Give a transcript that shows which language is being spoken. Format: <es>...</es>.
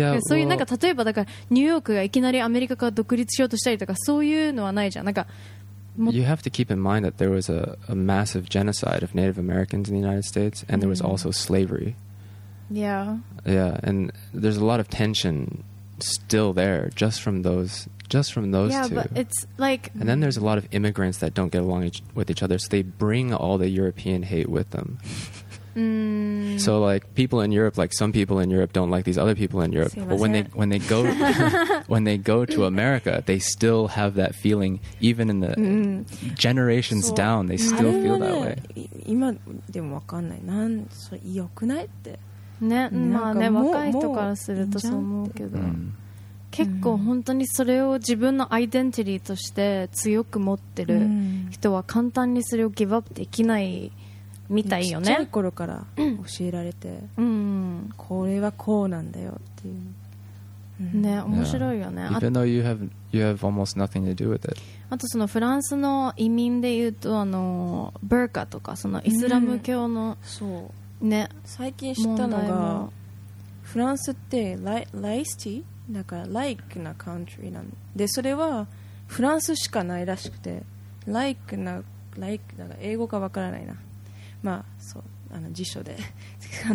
<ja>そういうなんか例えばだからニューヨークがいきなりアメリカから独立しようとしたりとかそういうのはないじゃん。なんか</ja> <en>You have to keep in mind that there was a massive genocide of Native Americans in the United States, and there was also slavery. Yeah. Yeah, and there's a lot of tension still there, just from those yeah, two. Yeah, but it's like. And then there's a lot of immigrants that don't get along with each other, so they bring all the European hate with them. So like people in Europe, like some people in Europe don't like these other people in Europe. But when they go when they go to America, they still have that feeling. Even in the generations down, they still feel that way.</en> <ja>今でもわかんない。なん、そう、良くないって。ね、まあね、若い人からするとそう思うけど、結構本当にそれを自分のアイデンティティとして強く持ってる人は簡単にそれをギブアップできない。みたいよね、ちっちゃい頃から教えられて、これはこうなんだよっていう、ね、面白いよね、</ja> <en>yeah. Even though you have almost nothing to do with it.</en> <ja>あとそのフランスの移民でいうとあのブルカとかそのイスラム教の、そう、ね、最近知ったのがフランスってライスティーだからライクなカウントリーなんでそれはフランスしかないらしくてライクなライクだから英語がわからないなまあ、そうあの辞書であ</ja>